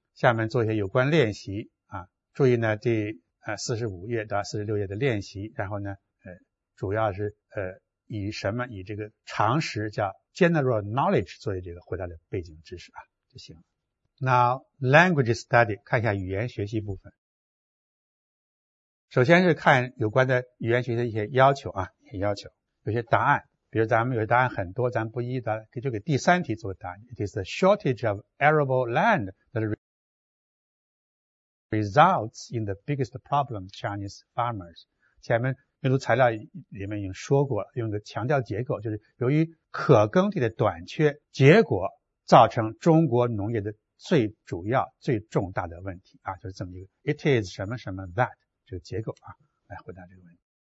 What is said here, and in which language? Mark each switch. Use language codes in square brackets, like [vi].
[zh] 下面做一些有关练习啊，注意呢，第45页到46页的练习，然后呢，主要是以什么，以这个常识叫 general knowledge 作为这个回答的背景知识啊，就行了。 [en] Now language study， [zh] 看一下语言学习部分。首先是看有关的语言学习的一些要求啊，一些要求，有些答案，比如咱们有些答案很多，咱不一的，就给第三题做答案。 [en] It is the shortage of arable land that results in the biggest problem Chinese farmers。 [zh] 前面阅读材料里面已经说过了，用一个强调结构，就是由于可耕地的短缺，结果造成中国农业的最主要、最重大的问题啊，就是这么一个。 [en] It is 什么什么 that。 [zh] 这个结构啊，来回答这个问题。